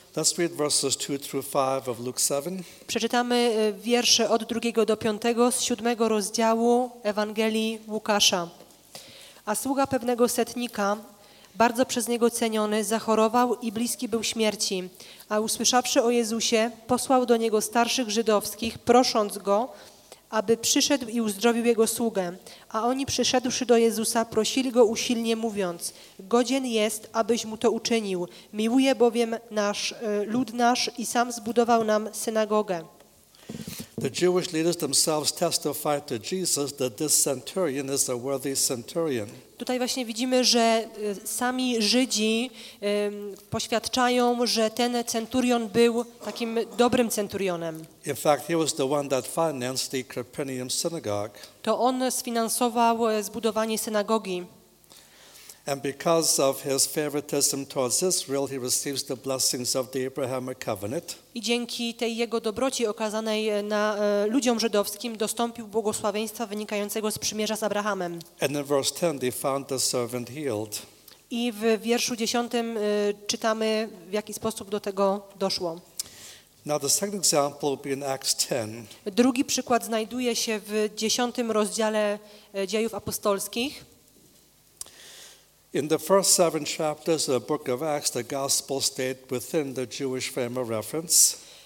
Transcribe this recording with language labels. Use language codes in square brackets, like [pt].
[en] Let's read verses 2 through 5 of Luke 7. [pl] Przeczytamy wiersze od 2 do 5 z 7 rozdziału Ewangelii Łukasza. A sługa pewnego setnika, bardzo przez niego ceniony, zachorował i bliski był śmierci, a usłyszawszy o Jezusie, posłał do niego starszych żydowskich, prosząc go, aby przyszedł i uzdrowił jego sługę. A oni, przyszedłszy do Jezusa, prosili go usilnie, mówiąc: godzien jest, abyś mu to uczynił. Miłuje bowiem nasz lud nasz i sam zbudował nam synagogę. [en] The Jewish leaders themselves testify to Jesus that this centurion is a worthy centurion. [pl] Tutaj właśnie widzimy, że sami Żydzi poświadczają, że ten centurion był takim dobrym centurionem. [en] In fact, he was the one that financed the Capernaum synagogue. [pl] To on sfinansował zbudowanie synagogi. [en] And because of his favoritism towards Israel, he receives the blessings of the Abrahamic covenant. [pl] I dzięki tej jego dobroci okazanej na ludziom żydowskim dostąpił błogosławieństwa wynikającego z przymierza z Abrahamem. [en] And in verse 10, they found the servant healed. [pl] I w wierszu 10 czytamy, w jaki sposób do tego doszło. [en] Now the second example will be in Acts 10. [pl] Drugi przykład znajduje się w 10 rozdziale Dziejów Apostolskich. [en] In the first seven chapters of the book of Acts, the gospel stayed within the Jewish frame of reference.